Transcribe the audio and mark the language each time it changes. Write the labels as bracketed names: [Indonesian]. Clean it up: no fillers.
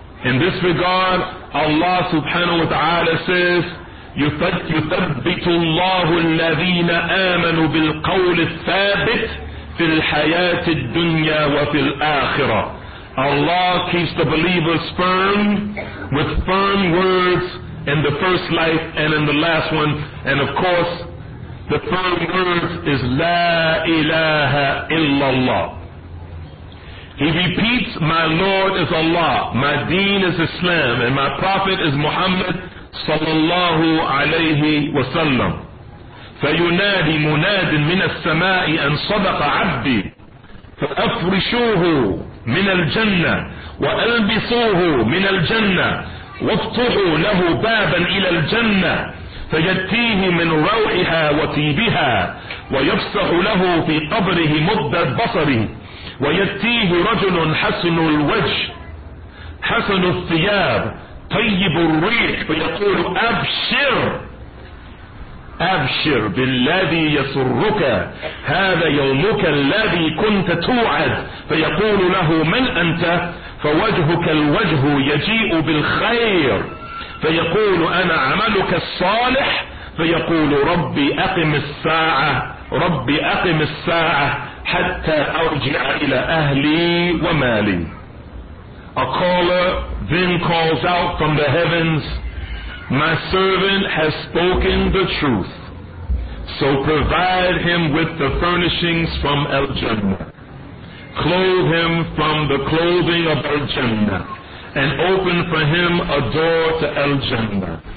[English] In this regard, Allah subhanahu wa ta'ala says, [Arabic] يُثَبِّتُ اللَّهُ الَّذِينَ آمَنُوا بِالْقَوْلِ الثَّابِتِ فِي الْحَيَاةِ الدُّنْيَا وَفِي الْآخِرَةِ [English] Allah keeps the believers firm with firm words in the first life and in the last one. And of course, The third word is La ilaha illallah. He repeats, my Lord is Allah, my deen is Islam, and my prophet is Muhammad sallallahu alayhi wa sallam. [Arabic] فَيُنَادِي مُنَادٍ مِنَ السَّمَاءِ أَنْ صَدَقَ عَبْدِي فَأَفْرِشُوهُ مِنَ الْجَنَّةِ وَأَلْبِسُوهُ مِنَ الْجَنَّةِ وَافْتُحُوا لَهُ بَابًا إِلَى الْجَنَّةِ فَيَتِيهِ مِنْ رَوْحِهَا وَتِيبِهَا وَيَفْسَحُ لَهُ فِي قَبْرِهِ مُدَّ بَصَرِهِ ويأتيه رجل حسن الوجه حسن الثياب طيب الريح فيقول أبشر أبشر بالذي يسرك هذا يومك الذي كنت توعد فيقول له من أنت فوجهك الوجه يجيء بالخير فيقول أنا عملك الصالح فيقول ربي أقم الساعة ربي أقم الساعة حتى أرجع إلى أهلي ومالي. [English] A caller then calls out from the heavens, my servant has spoken the truth, so provide him with the furnishings from Al-Jannah, clothe him from the clothing of Al-Jannah, and open for him a door to Al-Jannah.